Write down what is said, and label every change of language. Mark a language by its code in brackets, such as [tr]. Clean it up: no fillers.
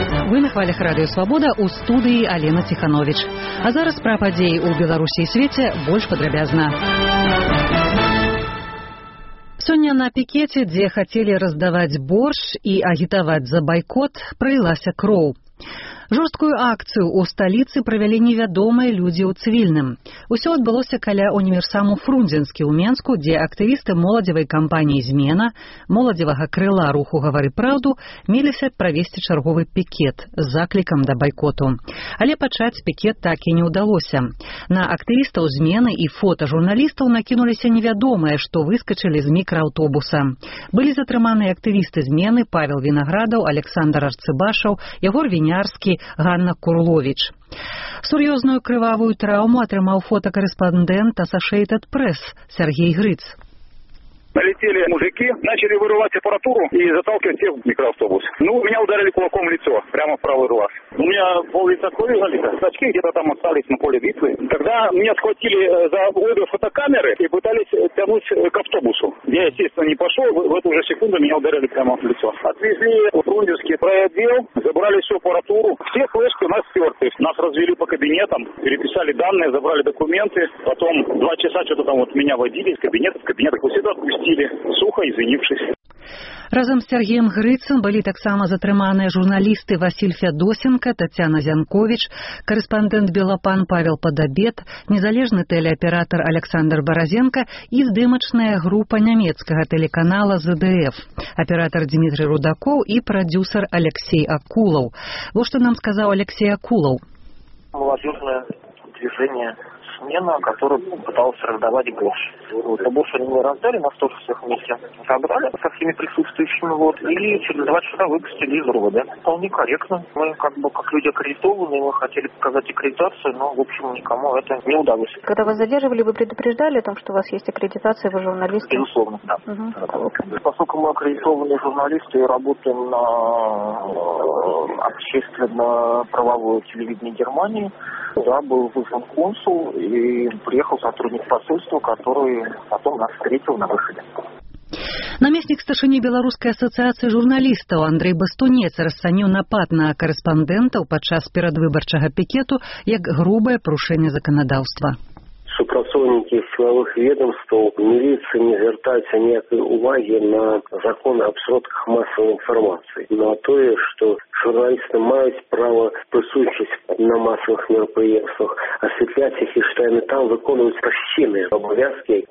[be] Ви на хвалях Радіо Свобода у студії Аліна Тиханович. А зараз про події у Білорусі і світі більш подробязно. Сёння на пікеті, дзе хацелі раздаваць борщ і агітаваць за байкот, пралілася кроў. Жорсткую акцыю ў сталіцы правялі невядомыя людзі ў цывільным. Усё адбылося каля універсаму Фрунзенскі ў Менску, дзе актывісты моладзевай кампаніі «Змена», моладзевага крыла руху «Гавары праўду» меліся правесці чарговы пікет з заклікам да байкоту. Але пачаць пікет так і не ўдалося. На актывістаў «Змены» і фота журналістаў накінуліся невядомыя, што выскачылі з мікраўтобуса. Былі затрыманыя актывісты «Змены» Павел Вінаградаў, Александр Арцыбашаў, Ягор Вінярскі, Ганна Курлович. Сур'ёзную крывавую траўму атрымаў фотокорэспандэнт Associated Press Сергей Грыц. [ru] Налетели мужики, начали вырывать аппаратуру и заталкивать всех в микроавтобус. Ну, меня ударили кулаком в лицо, прямо в правый глаз. У меня пол лица крови залито, очки где-то там остались на поле битвы. Тогда меня схватили за обводы фотокамеры и пытались тянуть к автобусу. Я, естественно, не пошел, в эту же секунду меня ударили прямо в лицо. Отвезли в Фрунзенский райотдел, забрали всю аппаратуру. Все флешки у нас стерты. Нас развели по кабинетам, переписали данные, забрали документы. Потом два часа что-то там вот меня водили из кабинета в кабинет. Сухо, извинившись. [be] Разом з Сергеем Грыцем былі таксама затрыманыя журналісты Васіль Фядосенка, Таццяна Зянковіч, корэспондэнт Белапан Павел Падабет, незалежны тэлеаператар Александр Баразенка і здымачная група нямецкага тэлеканала ЗДФ, аператар Дмітрий Рудаков і прадзюсар Алексей Акулаў. Вось што нам сказаў Алексей Акулаў. Маладзёжнае движэнне [ru] «Смена», который пытался раздавать борщ. Борщ они не раздали, нас тоже всех вместе собрали со всеми присутствующими. Вот, и через два часа выпустили из РУВД. Вполне корректно. Мы как бы как люди аккредитованные, мы хотели показать аккредитацию, но в общем никому это не удалось. Когда вас задерживали, вы предупреждали о том, что у вас есть аккредитация, вы журналист? Безусловно, да. Поскольку мы аккредитованные журналисты и работаем на общественно-правовое телевидение Германии, да, был вызван консул и приехал сотрудник посольства, который потом нас встретил на выходе. [be] Намеснік старшыні Беларускай асацыяцыі журналістаў Андрэй Бастунец расцаніў напад на карэспандэнтаў падчас перадвыбарчага пікету як грубае парушэнне заканадаўства. Супрацоўнікі сілавых ведомстваў, міліцыі не звяртаюцца ніякай увагі на закон аб сродках масавай інфармацыі, на тое, што журналісты маюць права прысутнічаць на масавых мерапрыемствах, асвятляць іх і што яны там выконваюць пасцінныя абавязкі.